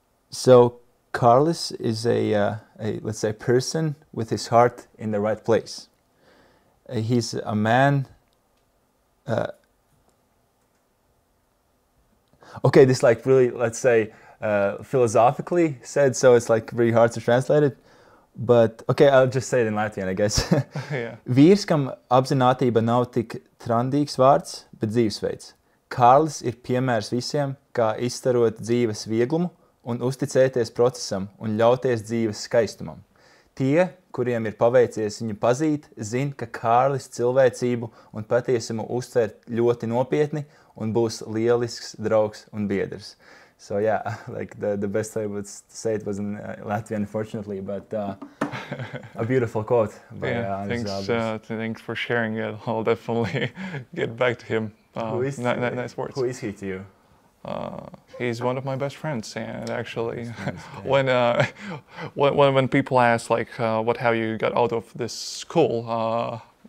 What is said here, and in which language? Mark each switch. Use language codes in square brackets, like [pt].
[en] So, Kārlis is a person with his heart in the right place. He's a man. Okay, this like really, let's say, philosophically said, so it's like very hard to translate it. But okay, I'll just say it in Latvian, I guess. Yeah. [lv] Vīrs, kam apzinātība nav tik trandīgs vārds, bet dzīvesveids. Kārlis ir piemērs visiem, kā izstarot dzīves vieglumu un uzticēties procesam un ļauties dzīves skaistumam. Tie, kuriem ir paveicies viņu pazīt, zin, ka Kārlis cilvēcību un patiesumu uztver ļoti nopietni un būs lielisks draugs un biedrs. [en] So yeah, like the best way was to say it was in Latvian, unfortunately, but a beautiful quote. By, yeah, thanks for sharing it. I'll definitely get back to him. Nice words. Who is he to you? He's one of my best friends, and actually, when people ask like, what have you got out of this school?